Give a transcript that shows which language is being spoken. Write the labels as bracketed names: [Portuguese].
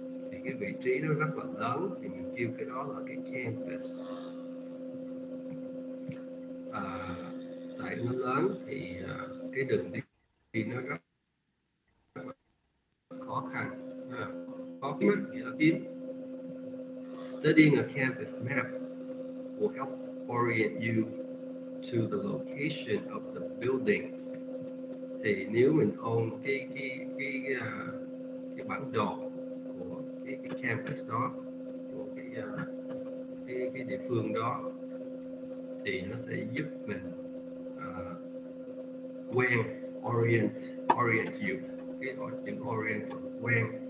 [Vietnamese] Thì cái vị trí nó rất là lớn thì kêu cái đó là cái campus. nó lớn thì cái đường đi thì nó rất khó khăn, khó kiếm nghĩa kiếm. [English] Studying a campus map will help orient you to the location of the buildings. [Vietnamese] Thì nếu mình ôn cái bản đồ của cái campus đó, của cái địa phương đó, thì nó sẽ giúp mình quen, [English] orient you, [Vietnamese] cái orient là quen,